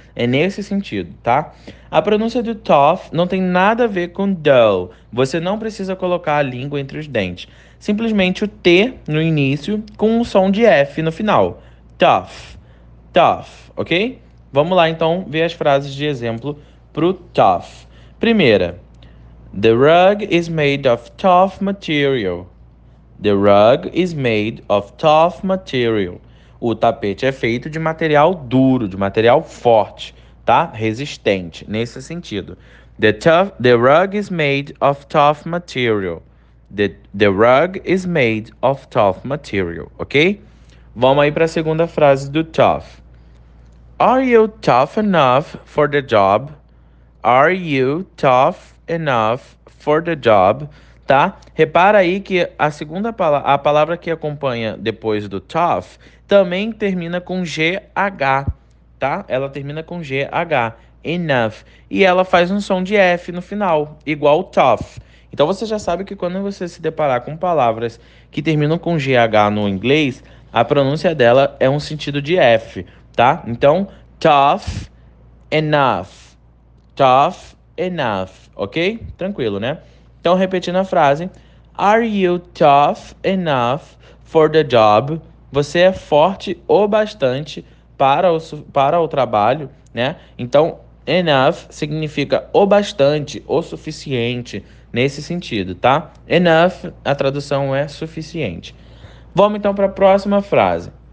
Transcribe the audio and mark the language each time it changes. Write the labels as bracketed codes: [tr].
[pt] É nesse sentido, tá? A pronúncia do tough não tem nada a ver com dull. Você não precisa colocar a língua entre os dentes. Simplesmente o T no início com um som de F no final. Tough. Tough, ok? Vamos lá então ver as frases de exemplo pro tough. Primeira: [en] The rug is made of tough material. The rug is made of tough material. [pt] O tapete é feito de material duro, de material forte, tá? Resistente, nesse sentido. [en] The rug is made of tough material. The rug is made of tough material, ok? [pt] Vamos aí para a segunda frase do tough. [en] Are you tough enough for the job? Are you tough enough for the job? [pt] Tá? Repara aí que a segunda a palavra que acompanha depois do tough também termina com GH, tá? Ela termina com GH, enough, e ela faz um som de F no final, igual tough. Então você já sabe que quando você se deparar com palavras que terminam com GH no inglês, a pronúncia dela é um sentido de F, tá? Então, tough enough. Tough enough, ok? Tranquilo, né? Então, repetindo a frase, [en] Are you tough enough for the job? [pt] Você é forte o bastante para o trabalho, né? Então, enough significa o bastante, o suficiente, nesse sentido, tá? Enough, a tradução é suficiente. Vamos então para a próxima frase.